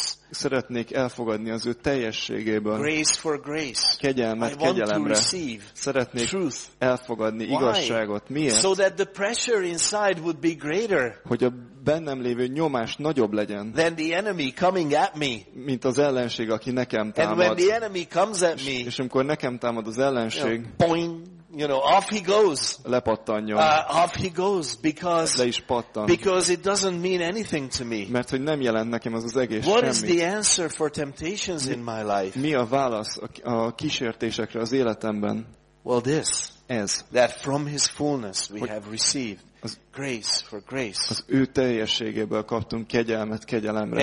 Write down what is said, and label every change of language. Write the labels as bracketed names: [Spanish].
[Hungarian] Szeretnék elfogadni az ő teljességéből. [English] Grace for grace. [Hungarian] Kegyelmet kegyelemre. Szeretnék elfogadni igazságot. Miért? [English] So that the pressure inside would be greater. [Hungarian] Hogy a bennem lévő nyomás nagyobb legyen. [English] Than the enemy coming at me. [Hungarian] Mint az ellenség, aki nekem támad. [English] And when the enemy comes at me. [Hungarian] És amikor nekem támad az ellenség. [English] Boing. You know, off he goes. [Hungarian] Lepattanjon. [English] Off he goes because [Hungarian] le is pattan. [English] Because it doesn't mean anything to me. [Hungarian] Mert hogy nem jelent nekem az az egész [English] what [Hungarian] semmi. [English] Is the answer for temptations in my life? [Hungarian] Mi a válasz a kísértésekre az életemben? [English] Well, this. [Hungarian] Ez. [English] That from his fullness we have received grace for grace. [Hungarian] Az ő teljességéből kaptunk kegyelmet kegyelemre.